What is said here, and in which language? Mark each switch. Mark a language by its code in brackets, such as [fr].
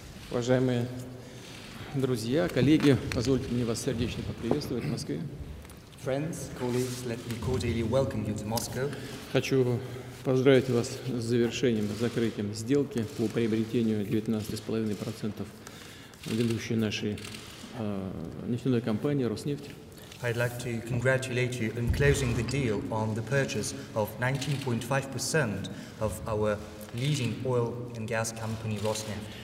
[ru] Уважаемые друзья, коллеги, позвольте мне вас сердечно поприветствовать в Москве. [en] Friends, colleagues, let me cordially welcome you to Moscow. [ru] Хочу поздравить вас с завершением, с закрытием сделки по приобретению 19,5% ведущей нашей нефтяной компании «Роснефть». [en] I'd like to congratulate you on closing the deal on the purchase of 19.5% of our leading oil and gas company «Роснефть».